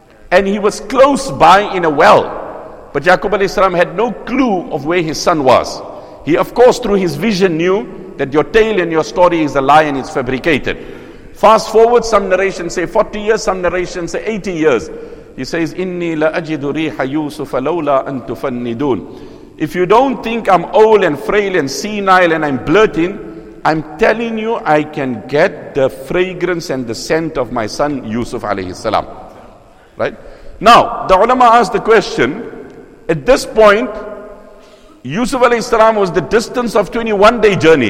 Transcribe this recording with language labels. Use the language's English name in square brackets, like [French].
[English] And he was close by in a well. But Yaqub alayhi salam had no clue of where his son was. He, of course, through his vision knew that your tale and your story is a lie and it's fabricated. Fast forward, some narrations say 40 years, some narrations say 80 years. He says, [Arabic] إِنِّي لَأَجِدُ رِيحَ يُوسُفَ لَوْلَا أَن تُفَنِّدُونَ. [English] If you don't think I'm old and frail and senile and I'm blurting, I'm telling you I can get the fragrance and the scent of my son Yusuf alayhi salam. Right? Now, the ulama asked the question, at this point, Yusuf alayhi salam was the distance of 21 day journey.